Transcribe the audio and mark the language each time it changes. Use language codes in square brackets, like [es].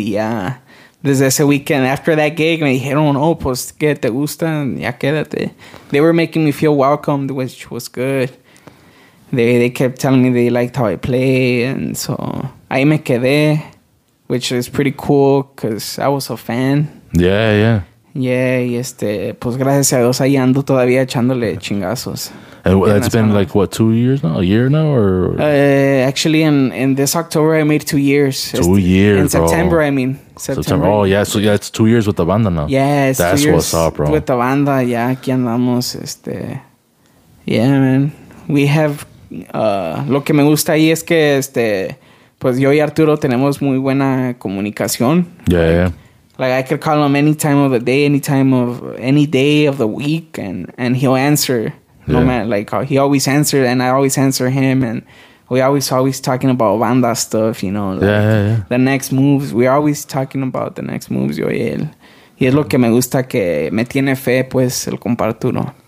[es] Yeah, desde ese weekend after that gig, me dijeron, oh, pues que te gusta, ya quédate. [en] They were making me feel welcomed, which was good. They kept telling me they liked how I play, and so ahí me quedé, which is pretty cool because I was a fan. Yeah, yeah. [es] Yeah, y este, pues gracias a Dios ahí ando todavía echándole chingazos. [en] It's been like what, 2 years now? A year now, or actually in this October I made 2 years. 2 years in September, bro. I mean. September. Oh yeah, so yeah, it's 2 years with the banda now. Yeah, it's that's 2 years what's up, bro. With the banda, yeah, aquí andamos, yeah, man. [es] We have lo que me gusta ahí es que pues yo y Arturo tenemos muy buena comunicación. [en] Yeah, yeah. Like, I could call him any time of the day, any time of any day of the week, and he'll answer. Yeah. No matter, like, he always answered, and I always answer him, and we always talking about banda stuff, you know. Like, yeah, yeah, yeah. The next moves, we're always talking about the next moves, yo y él. [es] Y es lo que me gusta, que me tiene fe, pues, el compa Arturo.